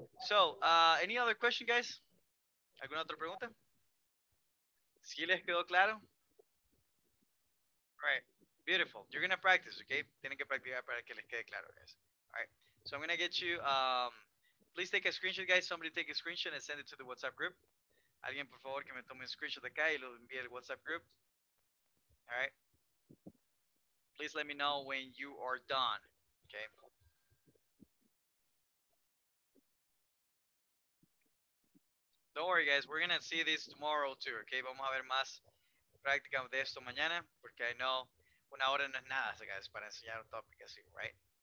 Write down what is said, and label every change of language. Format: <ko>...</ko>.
<en>So, any other question, guys?</en> <es>¿Alguna otra pregunta? ¿Sí les quedó claro?</es> <en>All right. Beautiful. You're going to practice, okay?</en> <es>Tienen que practicar para que les quede claro,</es> <en>guys. All right. So, I'm going to get you Please take a screenshot, guys. Somebody take a screenshot and send it to the WhatsApp group.</en> <es>Alguien, por favor, que me tome un screenshot acá y lo envíe al WhatsApp group.</es> <en>All right. Please let me know when you are done. Okay. Don't worry, guys. We're going to see this tomorrow, too.</en> <es>Okay. Vamos a ver más práctica de esto mañana, porque</es> <en>I know</en> <es>una hora no es nada, so guys, para enseñar un topic así, right?</es>